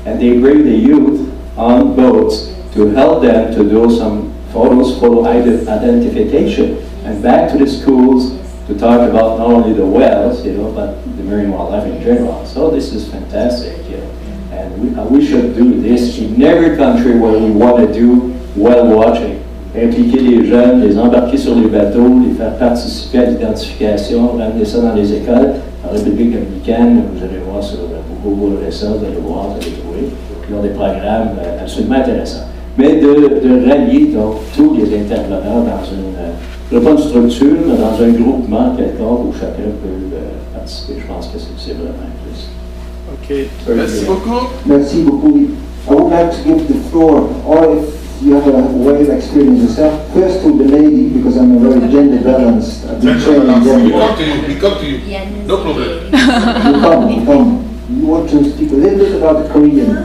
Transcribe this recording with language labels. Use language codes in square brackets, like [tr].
[en] And they bring the youth on boats to help them to do some photos, photo identification, and back to the schools to talk about not only the whales, you know, but the marine wildlife in general. So this is fantastic, you know. And we should do this in every country where we want to do whale watching. [fr] Impliquer les jeunes, les embarquer sur les bateaux, les faire participer à l'identification, ramener ça dans les écoles. En République dominicaine, vous allez voir sur Google, vous allez voir, vous allez trouver. Ils ont des programmes absolument intéressants. Mais de rallier donc tous les intervenants dans une, je pas une structure, mais dans un groupement quelconque où chacun peut participer, je pense que c'est vraiment plus. OK. Merci beaucoup. Merci beaucoup. [en] I would like to give the floor, or if you have a way of experience yourself, first to the lady, because I'm a very gender balanced. I've been training gender. We come to you. Yes. No problem. You come. You want to speak a little bit about Korean.